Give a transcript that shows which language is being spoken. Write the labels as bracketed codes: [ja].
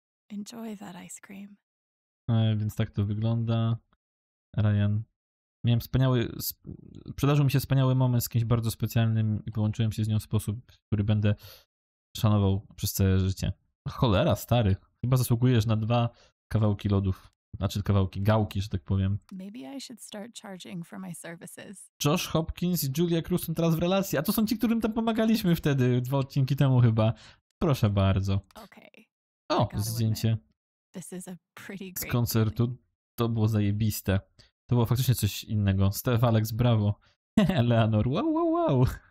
[pl] Enjoy that ice cream. Więc tak to wygląda. Ryan. Miałem wspaniały. Przydarzył mi się wspaniały moment z kimś bardzo specjalnym i połączyłem się z nią w sposób, który będę szanował przez całe życie. Cholera, stary. Chyba zasługujesz na dwa kawałki lodów. Znaczy kawałki gałki, że tak powiem. [en] Maybe I should start charging for my services. [pl] Josh Hopkins i Julia Cruz są teraz w relacji, a to są ci, którym tam pomagaliśmy wtedy, dwa odcinki temu chyba. Proszę bardzo. Okay. O, zdjęcie. This is a pretty great z koncertu. To było zajebiste. To było faktycznie coś innego. Steph, Alex, brawo. Eleanor, wow.